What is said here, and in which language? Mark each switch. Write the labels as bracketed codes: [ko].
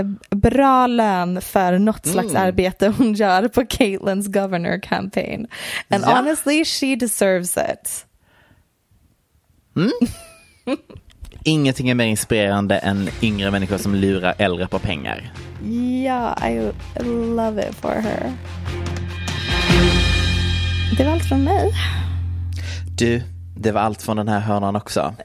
[sv] Bra lön för något slags arbete hon gör på Caitlyn's governor campaign. [en] And honestly, she deserves it. [sv] Ingenting är mer inspirerande än yngre människor som lurar äldre på pengar. [en] Ja, I love it for her. [sv] Det var allt från mig. Du, det var allt från den här hörnan också.